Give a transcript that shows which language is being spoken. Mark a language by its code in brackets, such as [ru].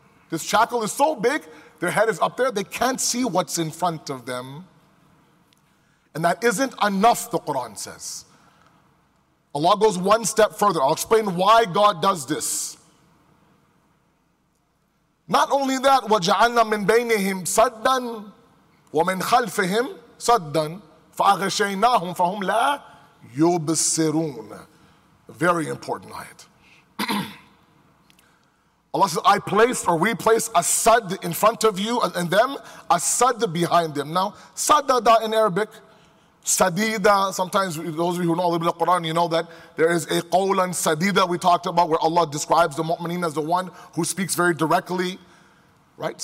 [en] This shackle is so big, their head is up there, they can't see what's in front of them. And that isn't enough, the Quran says. Allah goes one step further. I'll explain why God does this. Not only that, [ar] وَجَعَلْنَا مِنْ بَيْنِهِمْ سَدًّا وَمِنْ خَلْفِهِمْ سَدًّا فَأَغَشَيْنَاهُمْ فَهُمْ لَا Yubsirun. [en] Very important ayat. Allah says, we place a sad in front of you and them, a sad behind them. Now, sadada in Arabic, sadida, sometimes those of you who know a little bit of Quran, you know that there is a qawlan sadida we talked about where Allah describes the mu'mineen as the one who speaks very directly, right?